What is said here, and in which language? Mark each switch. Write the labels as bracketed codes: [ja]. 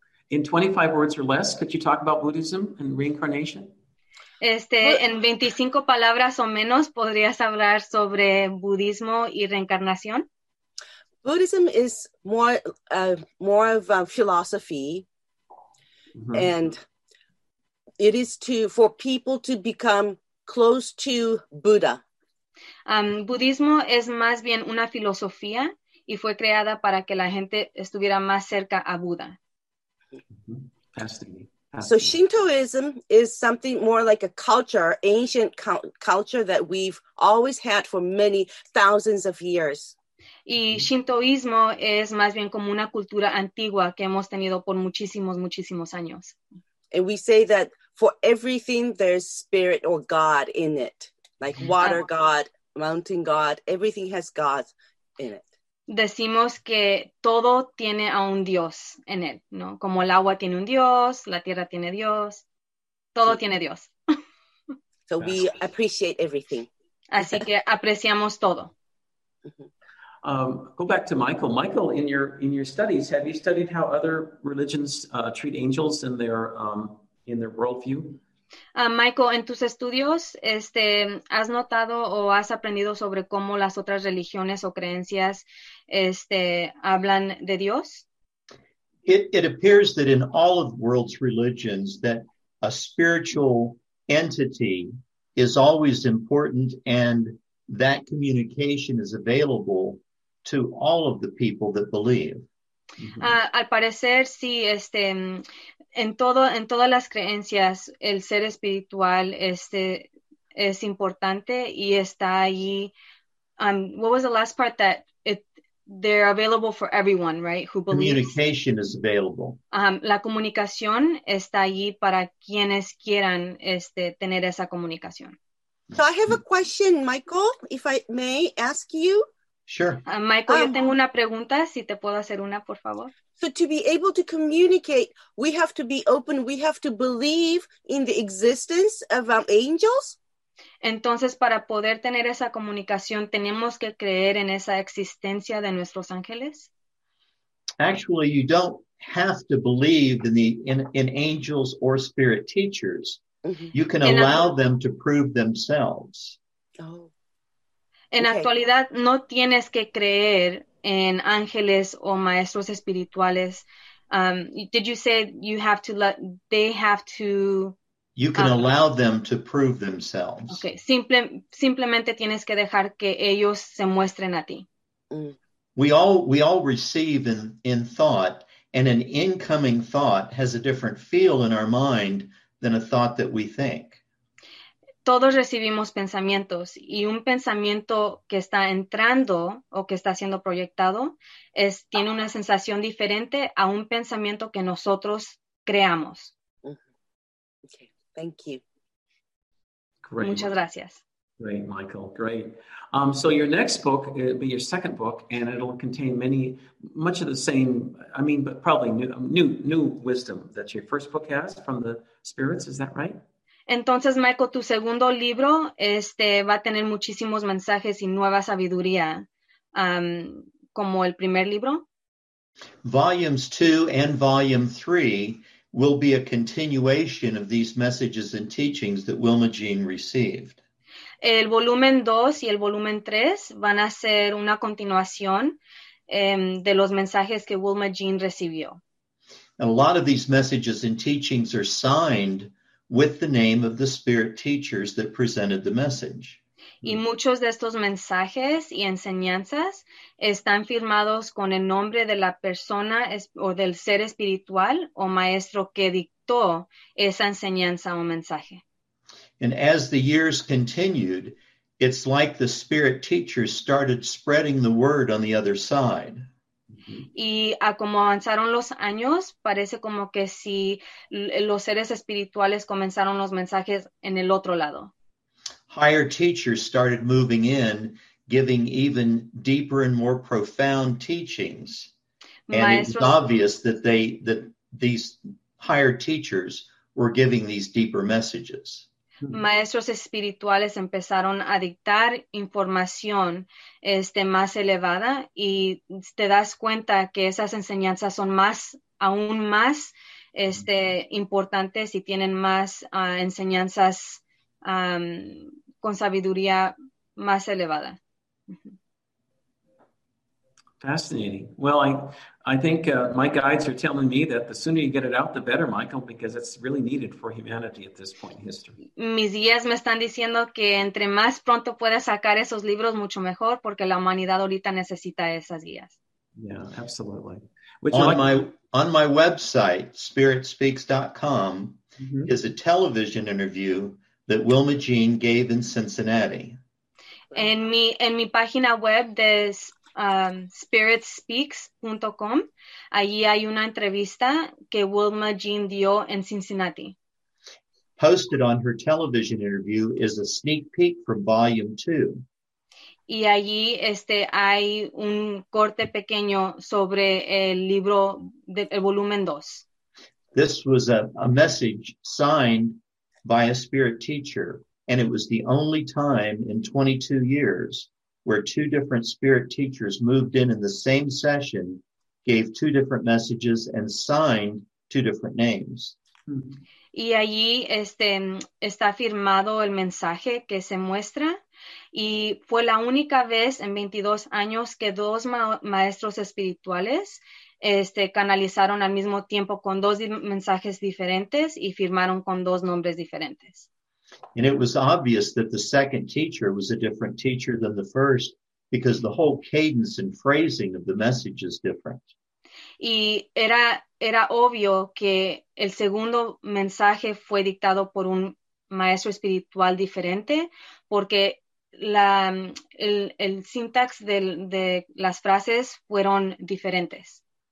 [en] In 25 words or less, could you talk about Buddhism and reincarnation? [es] En 25 palabras o menos, ¿podrías hablar sobre budismo y reencarnación? [en] Buddhism is more of a philosophy. Mm-hmm. And it is for people to become close to Buddha. [es] Budismo es más bien una filosofía y fue creada para que la gente estuviera más cerca a Buddha. [en] Mm-hmm. Fascinating. So Shintoism is something more like a culture, ancient culture that we've always had for many thousands of years. [es] Y Shintoísmo es más bien como una cultura antigua que hemos tenido por muchísimos, muchísimos años. [en] And we say that for everything there's spirit or God in it. Like water God, mountain God, everything has God in it. [es] Decimos que todo tiene a un Dios en él, ¿no? Como el agua tiene un Dios, la tierra tiene Dios, todo tiene Dios. [en] So we appreciate everything. [es] Así que apreciamos todo. [en] Go back to Michael. Michael, in your studies, have you studied how other religions treat angels in their worldview? [es] Michael, en tus estudios, ¿has notado o has aprendido sobre cómo las otras religiones o creencias hablan de Dios? [en] It appears that in all of the world's religions that a spiritual entity is always important and that communication is available to all of the people that believe. Mm-hmm. [es] Al parecer, sí, en todas las creencias, el ser espiritual es importante y está allí. [en] What was the last part that they're available for everyone, right, who believes? Communication is available. [es] La comunicación está allí para quienes quieran tener esa comunicación. [en] So I have a question, Michael, if I may ask you. Sure. [es] Michael, yo tengo una pregunta, si te puedo hacer una, por favor. [en] So to be able to communicate, we have to be open, we have to believe in the existence of our angels? [es] Entonces, para poder tener esa comunicación, ¿tenemos que creer en esa existencia de nuestros ángeles? [en] Actually, you don't have to believe in angels or spirit teachers. Mm-hmm. You can allow them to prove themselves. Oh. En okay. [es] Actualidad, no tienes que creer en ángeles o maestros espirituales. [en] Did you say you have to let, they have to... You can allow them to prove themselves. [es] Okay, simplemente tienes que dejar que ellos se muestren a ti. [en] We all receive in thought, and an incoming thought has a different feel in our mind than a thought that we think. [es] Todos recibimos pensamientos y un pensamiento que está entrando o que está siendo proyectado tiene una sensación diferente a un pensamiento que nosotros creamos. [en] Okay, thank you. Great. [es] Muchas gracias. [en] Yeah. Great, Michael. Great. So your next book, it'll be your second book, and it'll contain much of the same, I mean, but probably new wisdom that your first book has from the spirits. Is that right? [es] Entonces, Michael, tu segundo libro va a tener muchísimos mensajes y nueva sabiduría, como el primer libro. [en] Volumes 2 and Volume 3 will be a continuation of these messages and teachings that Wilma Jean received. [es] El volumen 2 y el volumen 3 van a ser una continuación de los mensajes que Wilma Jean recibió. [en] And a lot of these messages and teachings are signed with the name of the spirit teachers that presented the message. [es] Y muchos de estos mensajes y enseñanzas están firmados con el nombre de la persona o del ser espiritual o maestro que dictó esa enseñanza o mensaje. [en] And as the years continued, it's like the spirit teachers started spreading the word on the other side. [es] Y a como avanzaron los años, parece como que si los seres espirituales comenzaron los mensajes en el otro lado. [en] Higher teachers started moving in, giving even deeper and more profound teachings. And it's obvious that these higher teachers were giving these deeper messages. [es] Maestros espirituales empezaron a dictar información más elevada y te das cuenta que esas enseñanzas son más, aún más importantes y tienen más enseñanzas con sabiduría más elevada. [en] Fascinating. Well, I think my guides are telling me that the sooner you get it out, the better, Michael, because it's really needed for humanity at this point in history. [es] Mis guías me están diciendo que entre más pronto puedas sacar esos libros, mucho mejor, porque la humanidad ahorita necesita esas guías. [en] Yeah, absolutely. On my website, spiritspeaks.com, mm-hmm. is a television interview that Wilma Jean gave in Cincinnati. [es] En mi página web de spiritspeaks.com, allí hay una entrevista que Wilma Jean dio en Cincinnati. [en] Posted on her television interview is a sneak peek from Volume 2. [es] Y allí hay un corte pequeño sobre el libro del volumen 2. [en] This was a message signed by a spirit teacher, and it was the only time in 22 years where two different spirit teachers moved in the same session, gave two different messages, and signed two different names. [es] Y allí está firmado el mensaje que se muestra, y fue la única vez en 22 años que dos maestros espirituales canalizaron al mismo tiempo con dos mensajes diferentes y firmaron con dos nombres diferentes. [en] And it was obvious that the second teacher was a different teacher than the first because the whole cadence and phrasing of the message is different. [es] Y era obvio que el segundo mensaje fue dictado por un maestro espiritual diferente porque el syntax de las frases fueron diferentes.